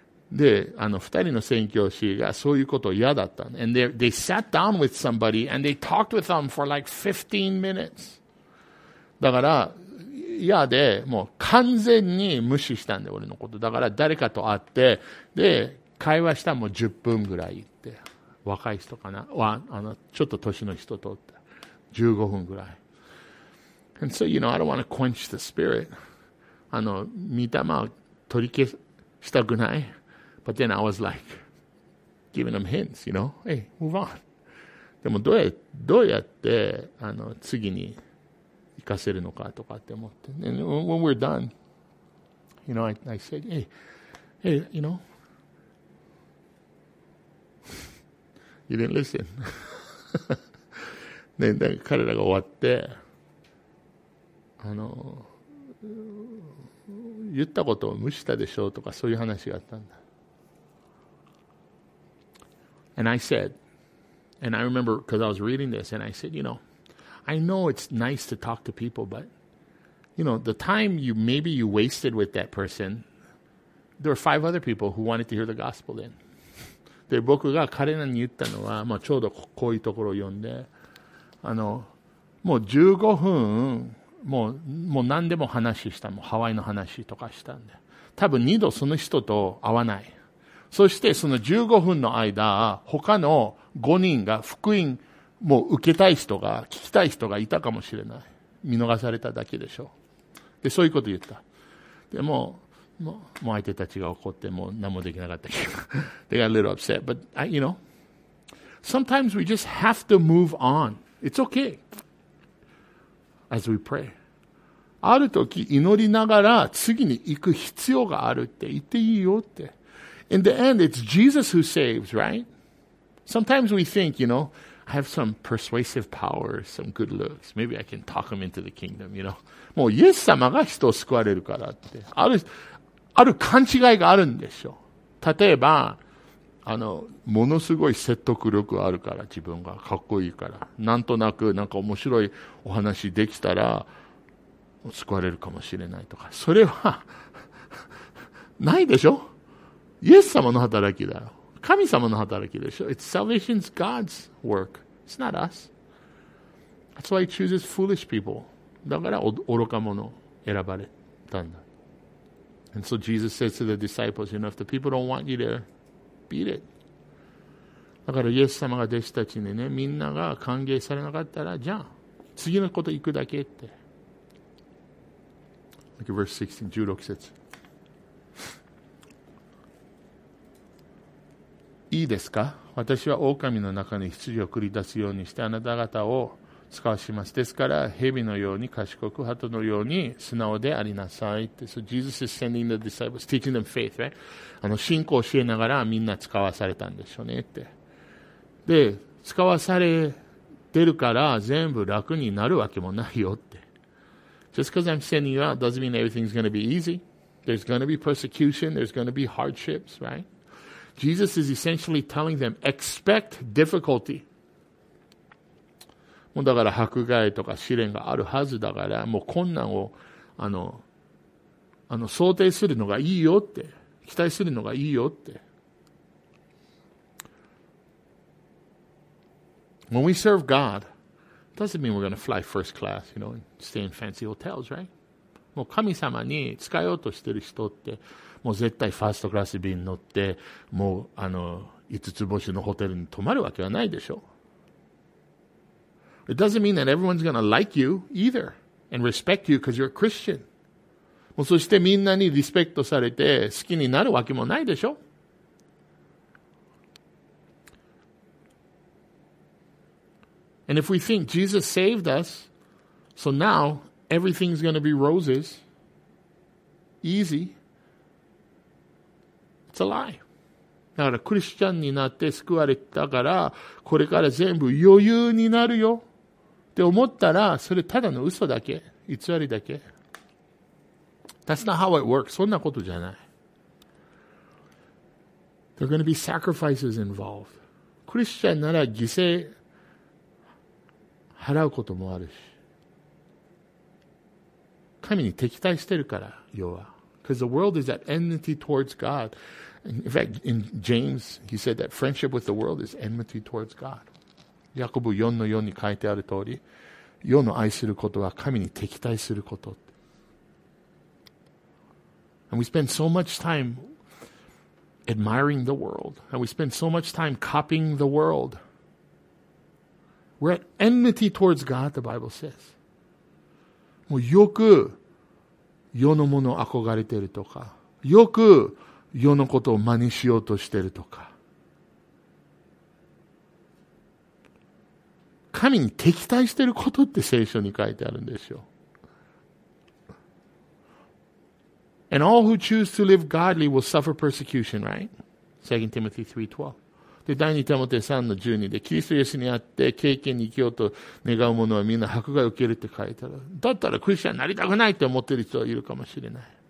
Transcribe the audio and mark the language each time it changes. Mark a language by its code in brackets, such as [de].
[ja] で、二人の宣教師がそういうこと嫌だった。 [en] And they sat down with somebody and they talked with them for like 15 minutes. [ja] だから、嫌で、もう完全に無視したんで、俺のこと。だから、誰かと会って、で、会話したらもう10分ぐらいって。若い人かな。ちょっと年の人とって。15分ぐらい。 [en] And so, you know, I don't want to quench the spirit. [ja] あの、御霊を取り消したくない。 [en] But then I was like, giving them hints, you know. Hey, move on. [ja] でもどうやって、あの、次に行かせるのかとかって思って。 [en] And when we're done, you know, I said, hey, you know, you didn't listen. [ja] で、彼らが終わって、あの、言ったことを無視したでしょうとか、そういう話があったんだ。 [en] And I said, and I remember because I was reading this, and I said, you know, I know it's nice to talk to people, but, you know, the time you maybe you wasted with that person, there were five other people who wanted to hear the gospel then. [ja] で、僕が彼らに言ったのは、まあ、ちょうどこういうところを読んで、あの、もう15分、もう何でも話した。もうハワイの話とかしたんで。多分二度その人と会わない。そしてその15分の間、他の5人が福音、もう受けたい人が、聞きたい人がいたかもしれない。見逃されただけでしょう。で、そういうこと言った。で、もう相手たちが怒って、もう何もできなかったけど。 [en] They got a little upset. But, I, you know, sometimes we just have to move on. It's okay. As we pray. [ja] ある時祈りながら次に行く必要があるって言っていいよって。 [en] In the end, it's Jesus who saves, right? Sometimes we think, you know, I have some persuasive power, some good looks. Maybe I can talk him into the kingdom, you know. [ja] もうイエス様が人を救われるからって。ある勘違いがあるんでしょう。例えば、あの、ものすごい説得力あるから、自分がかっこいいから。なんとなく、なんか面白いお話できたら、救われるかもしれないとか。それは、ないでしょ?イエス様の働きだよ。神様の働きでしょ [en] ?It's salvation's God's work. It's not us. That's why he chooses foolish people. [ja] だから、愚か者を選ばれたんだ。 [en] And so Jesus says to the disciples, you know, if the people don't want you there,Beat it. [ja] だからイエス様が弟子たちにね、みんなが歓迎されなかったら、じゃあ次のこと行くだけって。 [en] Look at verse 16, 16節。 [ja] いいですか？私は狼の中に羊を繰り出すようにしてあなた方を使わします。ですから蛇のように賢く、鳩のように素直でありなさいって。 [en] So Jesus is sending the disciples, teaching them faith, right? [ja] あの、信仰を教えながらみんな使わされたんでしょうねって。で、使わされてるから全部楽になるわけもないよって。 [en] Just because I'm sending you out doesn't mean everything's going to be easy. There's going to be persecution. There's going to be hardships, right? Jesus is essentially telling them, expect difficulty. [ja] もうだから迫害とか試練があるはずだから、もう困難を、あの、想定するのがいいよって。期待するのがいいよって。 [en] When we serve God, doesn't mean we're going to fly first class, you know, and stay in fancy hotels, right? [ja] もう神様に使おうとしてる人って、もう絶対ファーストクラス便乗って、もうあの、五つ星のホテルに泊まるわけはないでしょ。 [en] It doesn't mean that everyone's going to like you either and respect you because you're a Christian. [ja] もうそしてみんなにリスペクトされて好きになるわけもないでしょ? [en] And if we think Jesus saved us, so now everything's going to be roses, easy, it's a lie. [ja] だからクリスチャンになって救われたからこれから全部余裕になるよって思ったらそれただの嘘だけ、偽りだけ。 [en] That's not how it works. [ja] そんなことじゃない。 [en] There are going to be sacrifices involved. [ja] クリスチャンなら犠牲払うこともあるし。神に敵対してるから、要は。 [en] Because the world is at enmity towards God. In fact, in James, he said that friendship with the world is enmity towards God. [ja] ヤコブ4の4に書いてある通り、世の愛することは神に敵対すること。 [en] And we spend so much time admiring the world. And we spend so much time copying the world. We're at enmity towards God, the Bible says. [ja] もうよく世のものを憧れてるとか、よく世のことを真似しようとしてるとか、神に敵対してることって聖書に書いてあるんですよ。 [en] And all who choose to live godly will suffer persecution, right? 2 Timothy 3:12. [ja] で、第2テモテ3の12で、キリストイエスにあって敬虔に生きようと願う者はみんな迫害を受けるって書いてある。だったらクリスチャンになりたくないって思ってる人はいるかもしれない。